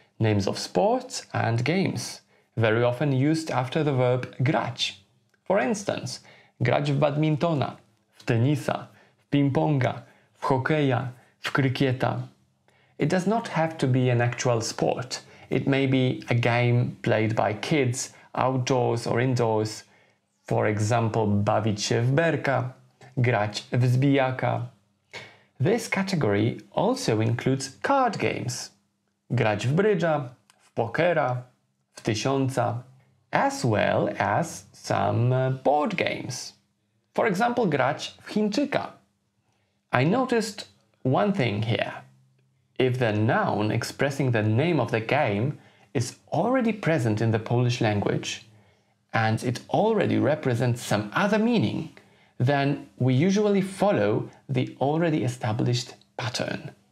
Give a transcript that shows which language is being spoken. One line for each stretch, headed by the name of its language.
English: Names of sports and games, very often used after the verb grać. For instance,
Polish: grać w badmintona, w tenisa, w ping-ponga, w hokeja, w krykieta.
English: It does not have to be an actual sport. It may be a game played by kids, outdoors or indoors. For example,
Polish: bawić się w berka, grać w zbijaka.
English: This category also includes card games.
Polish: Grać w brydża, w pokera, w tysiąca,
English: as well as some board games. For example,
Polish: grać w chińczyka.
English: I noticed one thing here. If the noun expressing the name of the game is already present in the Polish language and it already represents some other meaning, then we usually follow the already established pattern.